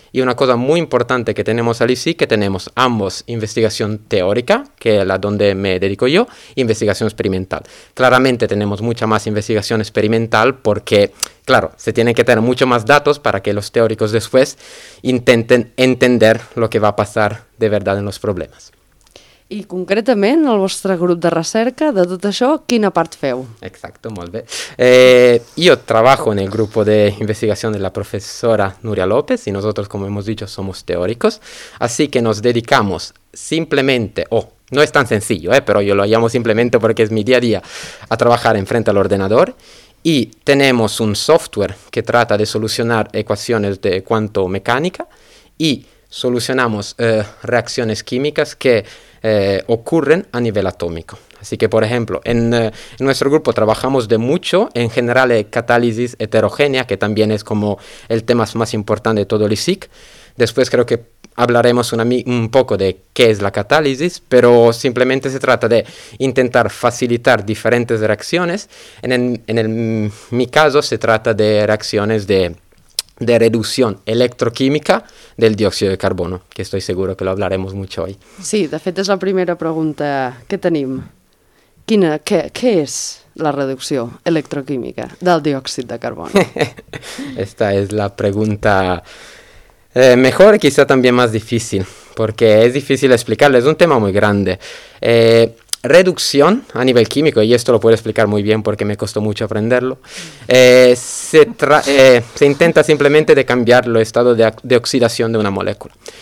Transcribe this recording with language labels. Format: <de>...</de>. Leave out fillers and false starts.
<es>Y una cosa muy importante que tenemos al ICIC, que tenemos ambos investigación teórica, que es la donde me dedico yo, investigación experimental. Claramente tenemos mucha más investigación experimental porque, claro, se tienen que tener mucho más datos para que los teóricos después intenten entender lo que va a pasar de verdad en los problemas.</es> <ca>I concretament, el vostre grup de recerca, de tot això, quina part feu? Exacto, molt bé.</ca> <es>Yo trabajo en el grupo de investigación de la profesora Nuria López y nosotros, como hemos dicho, somos teóricos, así que nos dedicamos simplemente, no es tan sencillo, pero yo lo llamo simplemente porque es mi día a día, a trabajar enfrente al ordenador. Y tenemos un software que trata de solucionar ecuaciones de cuanto mecánica y solucionamos reacciones químicas que ocurren a nivel atómico. Así que, por ejemplo, en nuestro grupo trabajamos de mucho, en general, catálisis heterogénea, que también es como el tema más importante de todo el ICIC. Después creo que hablaremos un poco de qué es la catálisis, pero simplemente se trata de intentar facilitar diferentes reacciones. En mi caso se trata de reacciones de</es> <ca>reducció electroquímica del diòxid de carboni,</ca> <es>que estoy seguro que lo hablaremos mucho hoy.</es> <ca>Sí, de fet és la primera pregunta que tenim. Què és la reducció electroquímica del diòxid de carboni?</ca> <es>Esta es la pregunta mejor, quizá también más difícil, porque es difícil explicarlo, es un tema muy grande. Reducción a nivel químico, y esto lo puedo explicar muy bien porque me costó mucho aprenderlo, se intenta simplemente de cambiar el estado de oxidación de una molécula.</es>